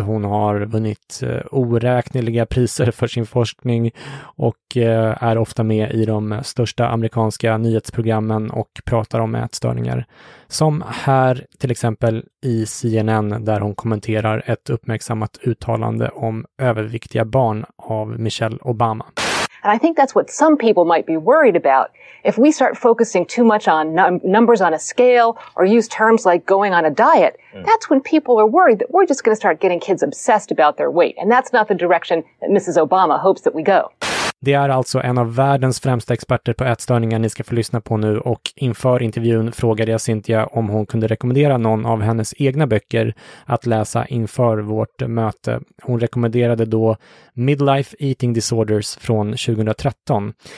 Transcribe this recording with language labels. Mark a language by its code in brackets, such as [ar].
[sv] Hon har vunnit oräkneliga priser för sin forskning och är ofta med i de största amerikanska nyhetsprogrammen och pratar om ätstörningar. Som här till exempel i CNN, där hon kommenterar ett uppmärksammat uttalande om överviktiga barn av Michelle Obama. [en] And I think that's what some people might be worried about. If we start focusing too much on numbers on a scale or use terms like going on a diet, that's when people are worried that we're just going to start getting kids obsessed about their weight. And that's not the direction that Mrs. Obama hopes that we go. [sv] Det är alltså en av världens främsta experter på ätstörningar ni ska få lyssna på nu, och inför intervjun frågade jag Cynthia om hon kunde rekommendera någon av hennes egna böcker att läsa inför vårt möte. Hon rekommenderade då Midlife Eating Disorders från 2013.